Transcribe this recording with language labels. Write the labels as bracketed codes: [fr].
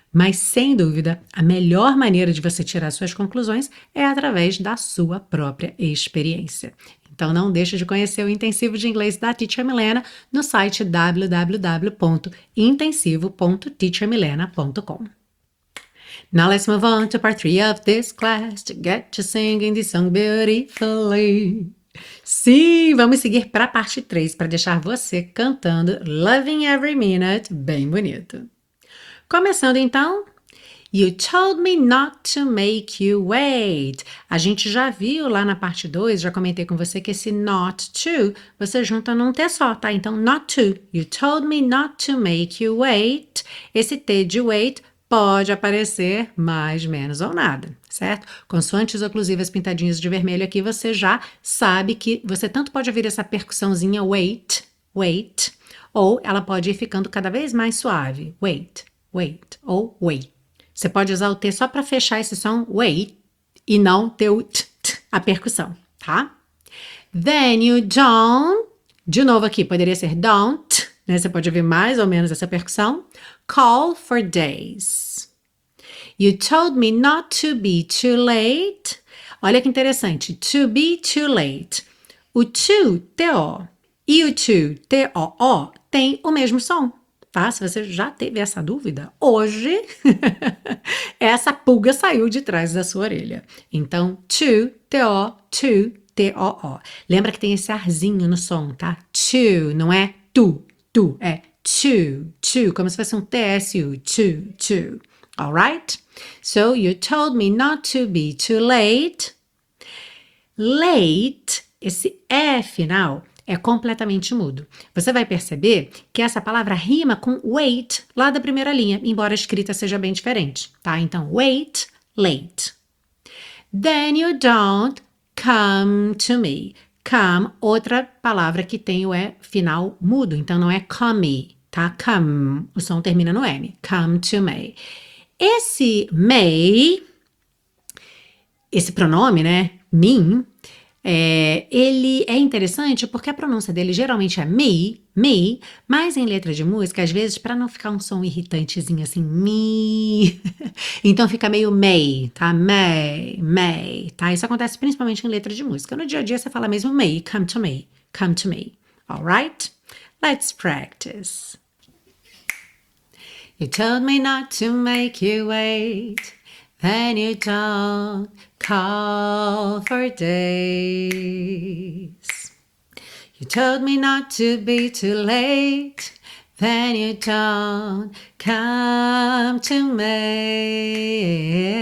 [pt] Mas, sem dúvida, a melhor maneira de você tirar suas conclusões é através da sua própria experiência. Então, não deixe de conhecer o Intensivo de Inglês da Teacher Milena no site www.intensivo.teachermilena.com. [en] Now let's move on to part 3 of this class to get to singing this song beautifully. [pt] Sim, vamos seguir para a parte 3, para deixar você cantando Loving Every Minute bem bonito. Começando então, [en] You Told Me Not To Make You Wait. [pt] A gente já viu lá na parte 2, já comentei com você que esse not to, você junta num T só, tá? Então, [en] not to, You Told Me Not To Make You Wait. [pt] Esse T de wait pode aparecer mais, menos ou nada, certo? Consoantes oclusivas pintadinhas de vermelho aqui, você já sabe que você tanto pode ouvir essa percussãozinha wait, wait, ou ela pode ir ficando cada vez mais suave, wait, wait, ou wait. Você pode usar o T só para fechar esse som, wait, e não ter o t, t, a percussão, tá? [en] Then you don't, [pt] de novo aqui, poderia ser don't, né? Você pode ouvir mais ou menos essa percussão, [en] call for days. You told me not to be too late. [pt] Olha que interessante. [en] To be too late. [pt] O to, T-O, e o to, T-O-O, tem o mesmo som. Tá? Se você já teve essa dúvida, hoje essa pulga saiu de trás da sua orelha. Então, to, T-O, to, T-O-O. Lembra que tem esse arzinho no som, tá? To, não é tu, tu, é to, to, como se fosse um T-S-U, to, to. [en] All right? So, you told me not to be too late. [pt] Late, esse E final, é completamente mudo. Você vai perceber que essa palavra rima com wait lá da primeira linha, embora a escrita seja bem diferente, tá? Então, [en] wait, late. Then you don't come to me. [pt] Come, outra palavra que tem o E final mudo, então não é come, tá? Come, o som termina no M. [en] Come to me. [pt] Esse may, esse pronome, né? Mim, ele é interessante porque a pronúncia dele geralmente é me, mas em letra de música, às vezes, para não ficar um som irritantezinho assim, me, então fica meio me, tá? Me, tá? Isso acontece principalmente em letra de música. No dia a dia você fala mesmo me, [en] come to me, come to me. Alright? Let's practice. You told me not to make you wait. Then you don't call for days. You told me not to be too late. Then you don't come to me.